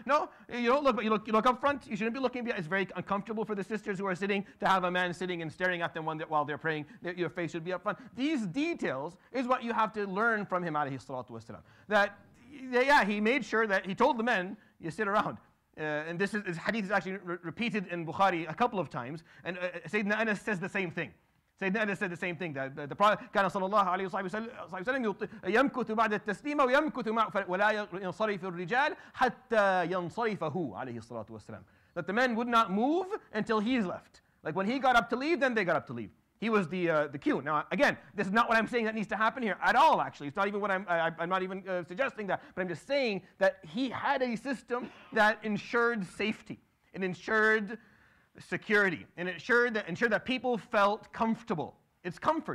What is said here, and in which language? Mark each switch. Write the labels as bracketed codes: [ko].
[en] No, you don't look, but you look up front. You shouldn't be looking behind. It's very uncomfortable for the sisters who are sitting to have a man sitting and staring at them while they're praying. Your face should be up front. These details is what you have to learn from him, alayhi salatu wasalam. That, yeah, he made sure that he told the men, you sit around. And this hadith is actually repeated in Bukhari a couple of times. And Sayyidina Anas says the same thing. Sayyidina Anas said the same thing. That the Prophet, [ar] كان صلى الله عليه وسلم يمكث بعد التسليم ويمكث مع ولا ينصرف الرجال حتى ينصرفه عليه الصلاة والسلام. [en] That the men would not move until he's left. Like when he got up to leave, then they got up to leave. He was the cue. Now, again, this is not what I'm saying that needs to happen here at all, actually. It's not even what I'm not even suggesting that. But I'm just saying that he had a system that ensured safety. It ensured security. And ensured that people felt comfortable. It's comfort.